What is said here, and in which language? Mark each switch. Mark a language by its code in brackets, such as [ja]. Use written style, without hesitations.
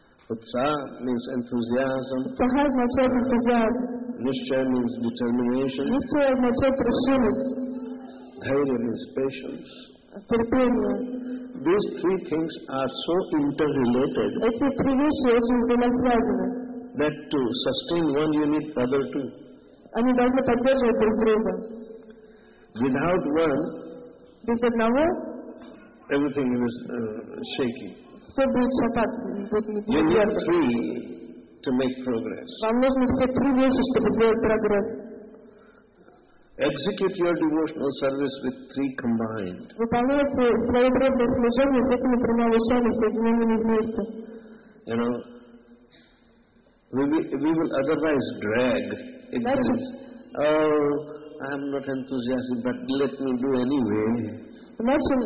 [en] Utsah means enthusiasm. Utsahat means enthusiasm. Nischaya means determination. Nischaya means prasidhyati. Dhairya means patience. [ru] Терпение. [en] These three things are so interrelated. [ru] Эти три вещи очень взаимосвязаны. [en] That to sustain one, you need other two. [ru] Они должны поддерживать друг друга. [en] Without one, [ru] без одного, [en] everything is shaky. [ru] Все будет шататься. [en] You need three to make progress. [ru] Вам нужны все три вещи, чтобы делать прогресс. [en] Execute your devotional service with three combined. [ru] Выполняйте свое преданное служение с этими тремя вещами, соединенными вместе. [en] You know, we will otherwise drag. Oh, I'm not enthusiastic, but let me do anyway.